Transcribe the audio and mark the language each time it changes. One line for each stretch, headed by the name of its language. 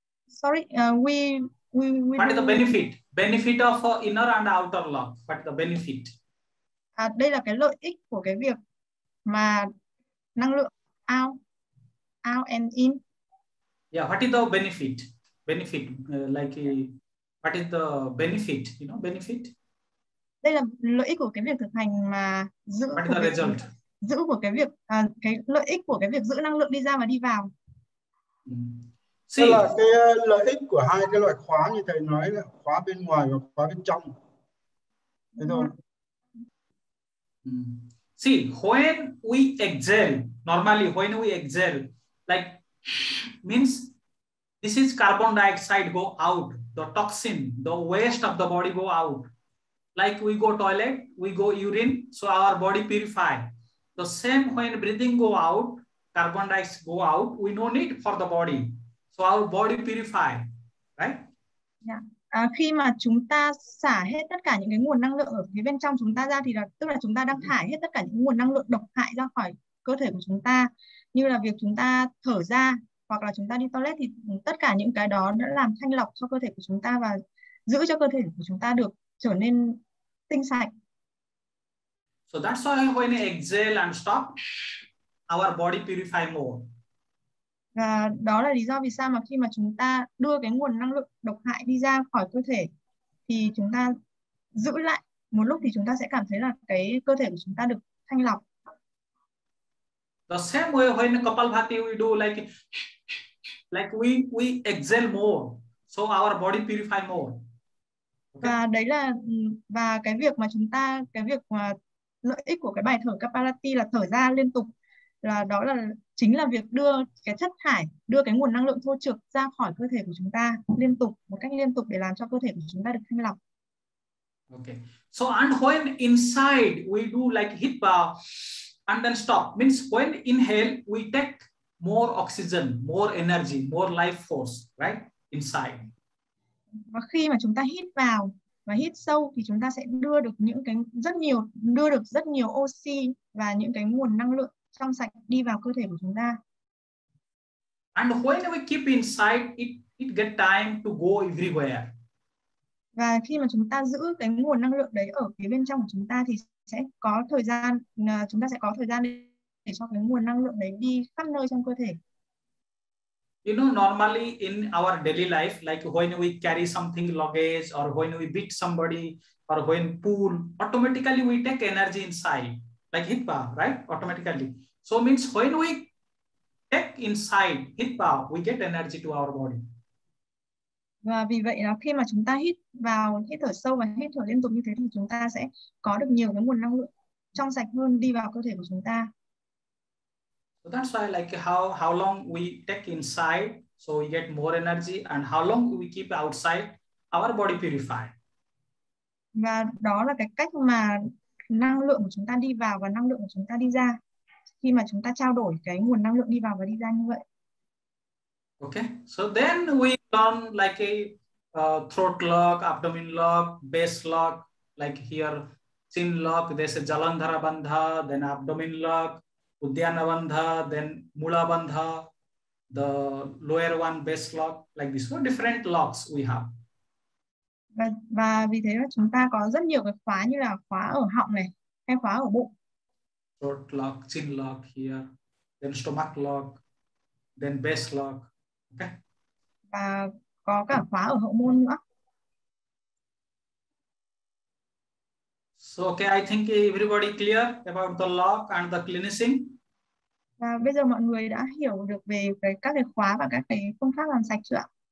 English: what is the benefit of inner and outer lock, what is the benefit?
Vietnamese: À, đây là cái lợi ích của cái việc mà năng lượng
English: out and in. Yeah, what is the benefit like what is the benefit, you know, benefit?
Vietnamese: Đây là lợi ích của cái việc thực hành mà giữ
English: what is the result
Vietnamese: thực... giữ của cái việc cái lợi ích của cái việc giữ năng lượng đi ra và đi vào. Thế là cái lợi ích của hai cái loại khóa như thầy nói là khóa bên ngoài và khóa bên trong. Thế thôi.
English: See, when we exhale, normally when we exhale, like means this is carbon dioxide go out, the toxin, the waste of the body go out. Like we go toilet, we go urine, so our body purify. The same when breathing go out, carbon dioxide go out, we no need for the body. So our body purify, right? Yeah.
Vietnamese: Khi mà chúng ta xả hết tất cả những cái nguồn năng lượng ở phía bên trong chúng ta ra thì là tức là chúng ta đang thải hết tất cả những nguồn năng lượng độc hại ra khỏi cơ thể của chúng ta. Như là việc chúng ta thở ra hoặc là chúng ta đi toilet thì tất cả những cái đó đã làm thanh lọc cho cơ thể của chúng ta và giữ cho cơ thể của chúng ta được trở nên tinh sạch.
English: So that's why when you exhale and stop, our body purify more.
Vietnamese: Và đó là lý do vì sao mà khi mà chúng ta đưa cái nguồn năng lượng độc hại đi ra khỏi cơ thể thì chúng ta giữ lại một lúc thì chúng ta sẽ cảm thấy là cái cơ thể của chúng ta được thanh lọc.
English: The same way when Kapalbhati we do like we exhale more, so our body purify more. Okay.
Vietnamese: Và đấy là và cái việc mà chúng ta cái việc mà lợi ích của cái bài thở Kapalati là thở ra liên tục là đó là chính là việc đưa cái chất thải, đưa cái nguồn năng lượng thô trược ra khỏi cơ thể của chúng ta liên tục, một cách liên tục để làm cho cơ thể của chúng ta được thanh lọc.
English: Okay. So and when inside we do like hit bar and then stop, means when inhale we take more oxygen, more energy, more life force, right? Inside.
Vietnamese: Và khi mà chúng ta hít vào và hít sâu thì chúng ta sẽ đưa được những cái rất nhiều oxy và những cái nguồn năng lượng trong sạch đi vào cơ thể của chúng ta.
English: And when we keep inside it get time to go everywhere.
Vietnamese: Và khi mà chúng ta giữ cái nguồn năng lượng đấy ở phía bên trong của chúng ta thì sẽ có thời gian để để cho cái nguồn năng lượng đấy đi khắp nơi trong cơ thể.
English: You know, normally in our daily life, like when we carry something luggage or when we beat somebody or when pool, automatically we take energy inside, like heat power, right? Automatically. So means when we take inside heat power, we get energy to our body.
Vietnamese: Và vì vậy là khi mà chúng ta hít vào, hít thở sâu và hít thở liên tục như thế thì chúng ta sẽ có được nhiều cái nguồn năng lượng trong sạch hơn đi vào cơ thể của chúng ta.
English: So that's why like how long we take inside so we get more energy and how long we keep outside our body purify.
Vietnamese: Và đó là cái cách mà năng lượng của chúng ta đi vào và năng lượng của chúng ta đi ra khi mà chúng ta trao đổi cái nguồn năng lượng đi vào và đi ra như vậy.
English: Okay, so then we learn like a throat lock, abdomen lock, base lock, like here chin lock, there's a Jalandhara Bandha, then abdomen lock, Uddiyana Bandha, then Mula Bandha, the lower one base lock, like this. So different locks we have.
Vietnamese: Và vì thế là chúng ta có rất nhiều cái khóa như là khóa ở họng này, hay khóa ở bụng.
English: Throat lock, chin lock here, then stomach lock, then base lock.
Vietnamese: Và có cả khóa ở hậu môn nữa.
English: So okay, I think everybody clear about the lock and the cleansing.
Vietnamese: Và bây giờ mọi người đã hiểu được về cái các cái khóa và các cái phương pháp làm sạch chưa?